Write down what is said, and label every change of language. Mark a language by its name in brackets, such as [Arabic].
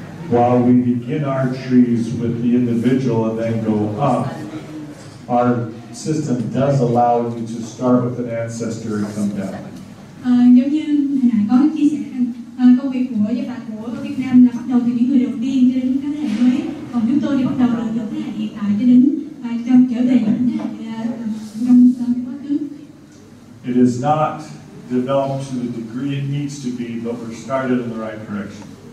[English] while we begin our trees with the individual and then go up, our system does allow you to start with an ancestor and come down. [Vietnamese] Giống như hồi nãy có chia sẻ rằng công việc của gia bảo của Việt Nam là bắt đầu từ những người đầu tiên cho đến thế hệ mới, còn chúng tôi thì bắt đầu từ thế hệ hiện tại cho đến trong trở về những thế hệ trong quá khứ. [English] It is not developed to the degree it needs to be, but we're started in the right direction.